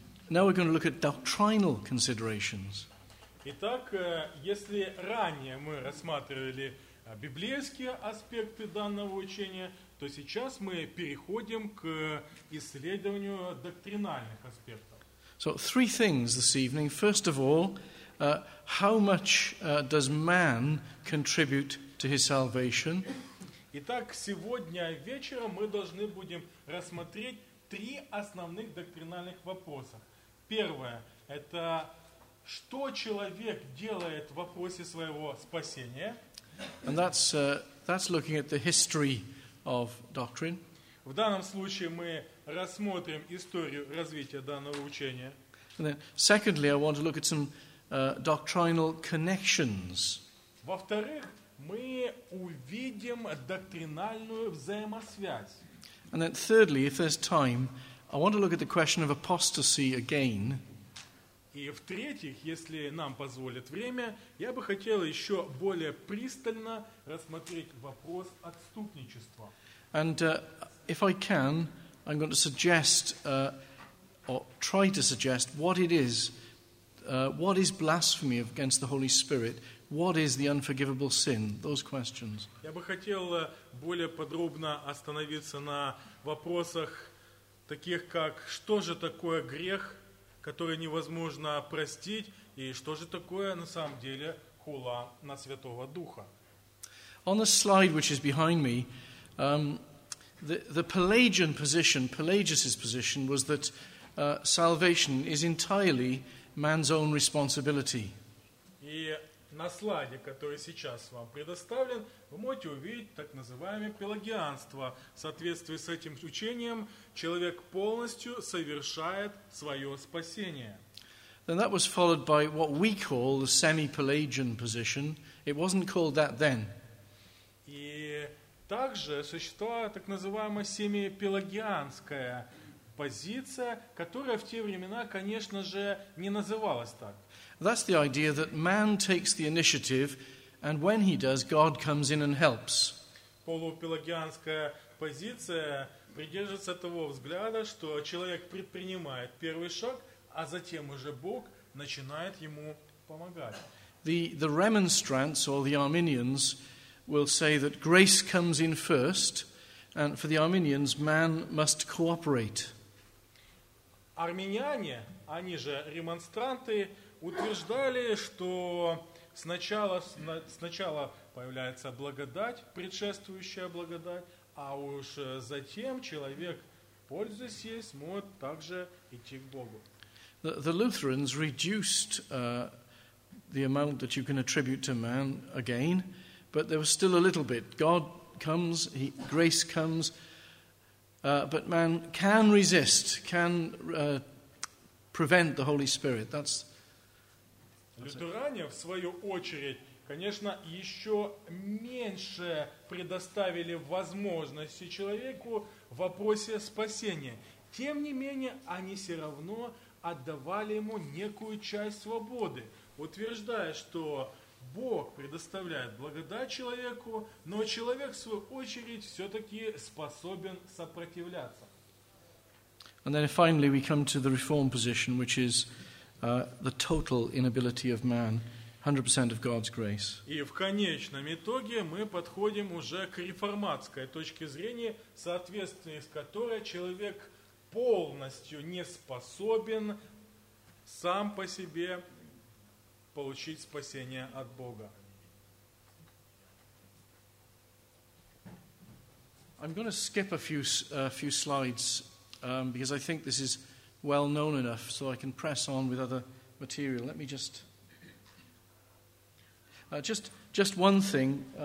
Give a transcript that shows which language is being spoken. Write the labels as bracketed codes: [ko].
[en] Now we're going to look at doctrinal considerations. [ru] Итак, если ранее мы рассматривали библейские аспекты данного учения, то сейчас мы переходим к исследованию доктринальных аспектов. [en] So three things this evening. First of all, how much does man contribute to his salvation? [ru] Итак, сегодня вечером мы должны будем рассмотреть три основных доктринальных вопроса. Первое – это что человек делает в вопросе своего спасения? [en] And that's looking at the history of doctrine. [ru] В данном случае мы рассмотрим историю развития данного учения. [en] And then, secondly, I want to look at some doctrinal connections. [ru] Во-вторых, мы увидим доктринальную взаимосвязь. [en] And then, thirdly, if there's time, I want to look at the question of apostasy again. [ru] И в-третьих, если нам позволит время, я бы хотел еще более пристально рассмотреть вопрос отступничества. [en] And if I can, I'm going to suggest, or try to suggest, what is blasphemy against the Holy Spirit, what is the unforgivable sin, those questions. [ru] Я бы хотел более подробно остановиться на вопросах таких как, что же такое грех, который невозможно простить, и что же такое на самом деле хула на Святого Духа. [en] On the slide, which is behind me, the Pelagian position, Pelagius' position, was that salvation is entirely man's own responsibility. [ru] И на слайде, который сейчас вам предоставлен, вы можете увидеть так называемое пелагианство. В соответствии с этим учением, человек полностью совершает свое спасение. [en] Then that was followed by what we call the semi-Pelagian position. It wasn't called that then. [ru] И также существовала так называемая семипелагианская позиция, которая в те времена, конечно же, не называлась так. [en] That's the idea that man takes the initiative, and when he does, God comes in and helps. [ru] Полупелагианская позиция придерживается того взгляда, что человек предпринимает первый шаг, а затем уже Бог начинает ему помогать. [en] The Remonstrants, or the Arminians, will say that grace comes in first, and for the Armenians, man must cooperate. [ru] Армяне, они же ремонстранты, утверждали, что сначала появляется благодать, предшествующая благодать, а уж затем человек, пользуясь ей, сможет также идти к Богу. [en] The Lutherans reduced the amount that you can attribute to man again, but there was still a little bit. God comes, grace comes, but man can resist, can prevent the Holy Spirit. [ru] Лютеране, в свою очередь, конечно, еще меньше предоставили возможности человеку в вопросе спасения. Тем не менее, они все равно отдавали ему некую часть свободы, утверждая, что Бог предоставляет благодать человеку, но человек, в свою очередь, все-таки способен сопротивляться. [en] And then finally we come to the reform position, which is the total inability of man, 100% of God's grace. [ru] И в конечном итоге мы подходим уже к реформатской точке зрения, в соответствии с которой человек полностью не способен сам по себе получить спасение от Бога. [en] I'm going to skip a few slides because I think this is well known enough, so I can press on with other material. Let me just one thing.